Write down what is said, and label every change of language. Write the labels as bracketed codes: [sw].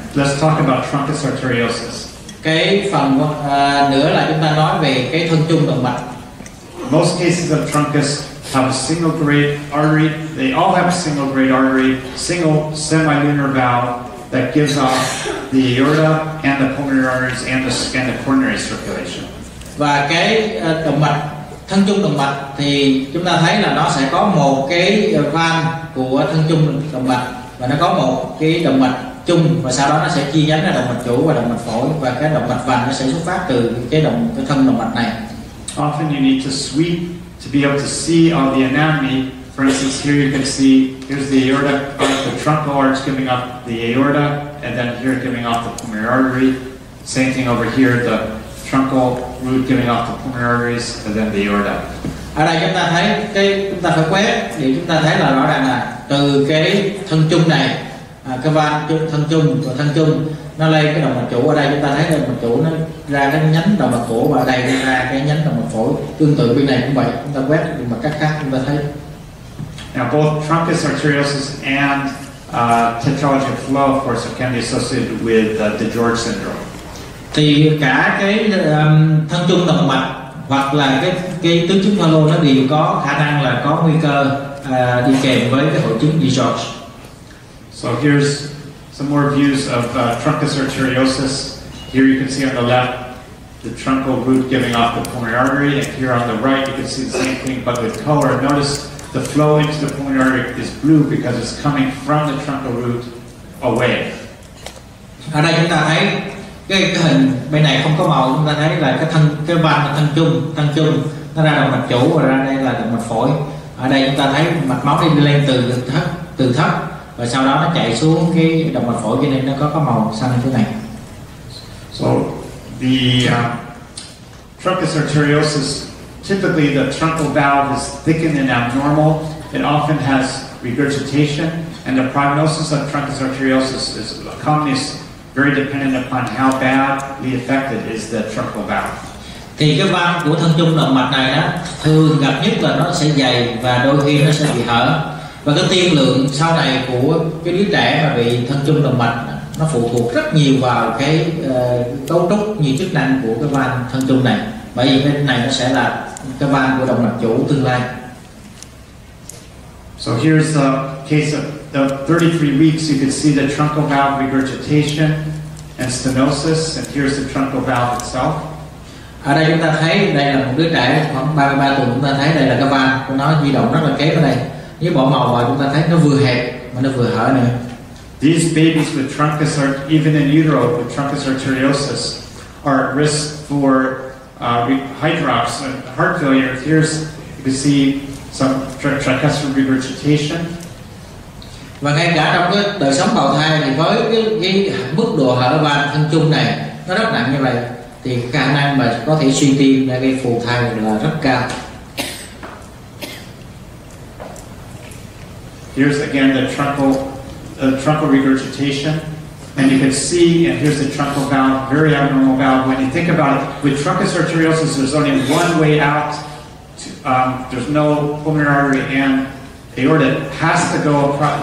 [en] Let's talk about truncus arteriosus. [vi] Cái phần nữa là chúng ta nói về cái thân chung động mạch. [en] Most cases of truncus have a single great artery. They all have a single great artery, single semilunar valve that gives off the aorta and the pulmonary arteries and the coronary circulation. [vi] Và cái động mạch, thân chung động mạch thì chúng ta thấy là nó sẽ có một cái van của thân chung động mạch và nó có một cái động mạch chung và sau đó nó sẽ chia nhánh ra động mạch chủ và động mạch phổi và cái động mạch van nó sẽ xuất phát từ cái thân động mạch này. [en] Often you need to sweep to be able to see all the anatomy. For instance, here you can see, here's the aorta, the truncal arch giving off the aorta, and then here giving off the pulmonary artery. Same thing over here, the truncal root giving off the pulmonary arteries, and then the aorta. [vi] Ở đây chúng ta thấy, chúng ta phải quét, thì chúng ta thấy là rõ ràng là từ cái thân chung này, cái van thân chung và thân chung, nó lây cái động mạch chủ. Ở đây chúng ta thấy động mạch chủ nó ra cái nhánh động mạch cổ và ở đây ra cái nhánh động mạch phổi. Tương tự bên này cũng vậy, chúng ta quét động mạch cắt khác, chúng ta thấy. [en] Now both truncus arteriosus and tetralogy of flow, of course, can be associated with the DeGeorge syndrome. [vi] Thì cả cái thân chung động mạch hoặc là cái tứ chức phân lô nó đều có khả năng là có nguy cơ đi kèm với cái hội chứng DeGeorge. [en] So here's some more views of truncus arteriosus. Here you can see on the left the truncal root giving off the pulmonary artery, and here on the right you can see the same thing but with color. Notice the flow into the pulmonary artery is blue because it's coming from the truncal root away. [vi] Ở đây chúng ta thấy cái hình bên này không có màu, chúng ta thấy là cái van là thân chung nó ra động mạch chủ và ra đây là động mạch phổi. Ở đây chúng ta thấy mạch máu đi lên từ thấp và sau đó nó chạy xuống cái động mạch phổi cho nên nó có màu xanh như thế này. [en] So the truncus arteriosus, typically the truncal valve is thickened and abnormal. It often has regurgitation, and the prognosis of truncus arteriosus is commonly very dependent upon how badly affected is the truncal valve. [vi] Thì cái van của thân chung động mạch này đó thường gặp nhất là nó sẽ dày và đôi khi nó sẽ bị hở. Và cái tiên lượng sau này của cái đứa trẻ mà bị thân chung động mạch nó phụ thuộc rất nhiều vào cái cấu trúc như chức năng của cái van thân chung này. Bởi vì cái này nó sẽ là cái van của động mạch chủ tương lai. [en] So here's the case of the 33 weeks. You can see the truncal valve regurgitation and stenosis. And here's the truncal valve itself. [vi] Ở đây chúng ta thấy đây là một đứa trẻ khoảng 33 tuần, chúng ta thấy đây là cái van của nó di động rất là kém ở đây. Nếu bỏ màu vào chúng ta thấy nó vừa hẹp mà nó vừa hở nữa. [en] These babies with truncus are even in utero with truncus arteriosus are at risk for hydrox and heart failure. Here's you can see some tricuspid regurgitation. [vi] Và ngay cả trong cái đời sống bào thai thì với cái mức độ hở van thân chung này nó rất nặng như vậy thì khả năng mà có thể suy tim đã gây phù thai là rất cao. [en] Here's again the truncal regurgitation, and you can see, and here's the truncal valve, very abnormal valve. When you think about it, with truncus arteriosus, there's only one way out. There's no pulmonary artery and aorta. It has to go across.